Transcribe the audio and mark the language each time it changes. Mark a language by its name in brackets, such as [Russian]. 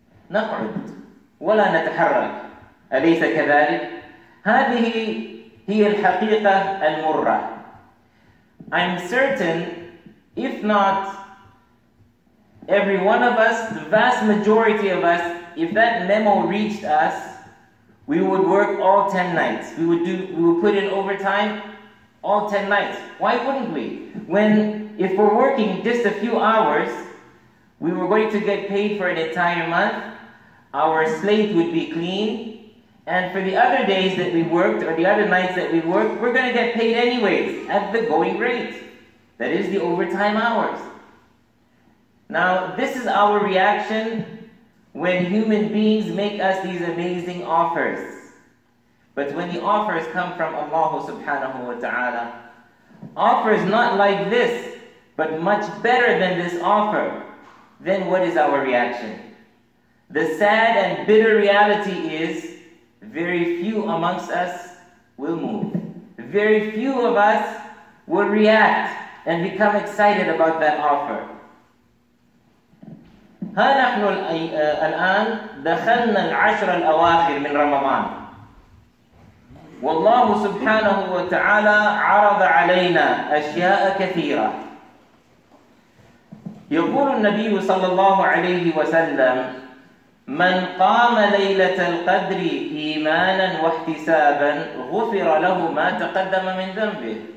[Arabic] نقعد ولا نتحرك أليس كذلك؟ هذه هي الحقيقة المرة [English] I'm certain if not every one of us, the vast majority of us, if that memo reached us, we would work all 10 nights. We would put in overtime all 10 nights. Why wouldn't we? When, if we're working just a few hours, we were going to get paid for an entire month, our slate would be clean, and for the other days that we worked, or the other nights that we worked, we're going to get paid anyways, at the going rate. That is the overtime hours. Now, this is our reaction when human beings make us these amazing offers. But when the offers come from Allah subhanahu wa ta'ala, offers not like this, but much better than this offer, then what is our reaction? The sad and bitter reality is, very few amongst us will move. Very few of us will react and become excited about that offer. [Arabic] ها نحن الآن دخلنا العشر الأواخر من رمضان والله سبحانه وتعالى عرض علينا أشياء كثيرة يقول النبي صلى الله عليه وسلم من قام ليلة القدر إيمانا واحتسابا غفر له ما تقدم من ذنبه